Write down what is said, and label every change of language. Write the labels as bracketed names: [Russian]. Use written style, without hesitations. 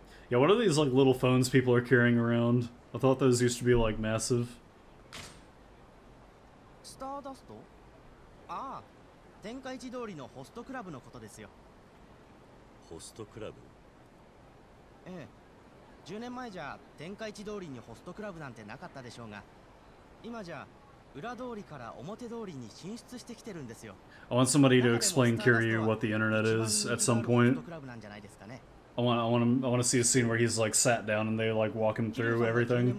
[English] Yeah, what are these like little phones people are carrying around? I thought those used to be like massive. Stardust? Ah. [Japanese] 天下一通りのホストクラブのことですよ。ホストクラブ？ええ。10年前じゃ天下一通りにホストクラブなんてなかったでしょうが、今じゃ裏通りから表通りに進出してきてるんですよ。 [English] I want somebody to explain Kiryu what the internet is at some point. I want to see a scene where he's like sat down and they like walk him through everything.